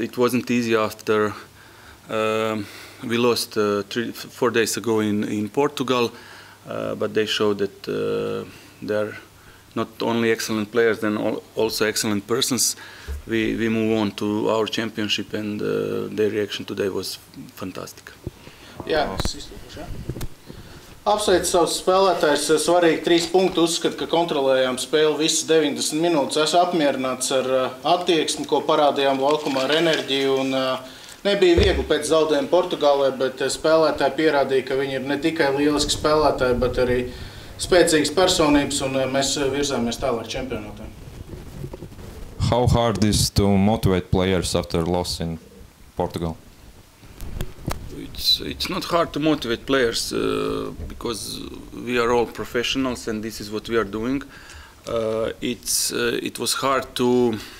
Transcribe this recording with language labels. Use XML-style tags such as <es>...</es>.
<en>It wasn't easy after we lost 4 days ago in Portugal. But they show that they're not only excellent players, then also excellent persons. We move on to our championship, and their reaction today was fantastic.</en> <lv>Apsveic savus spēlētājus. Svarīgi 3 punkti. Uzskat, ka kontrolējām spēli visas 90 minūtes. Esmu apmierināts ar attieksmi, ko parādījām laukumā ar enerģiju. Un, nebija viegli pēc zaudējuma Portugālē, bet spēlētāji pierādīja, ka viņi ir ne tikai lieliski spēlētāji, bet arī spēcīgas personības, un mēs virzāmies tālāk čempionātā.</lv> <en>How hard is to motivate players after loss in Portugal? It's not hard to motivate players, because we are all professionals and this is what we are doing. It was hard to...</en>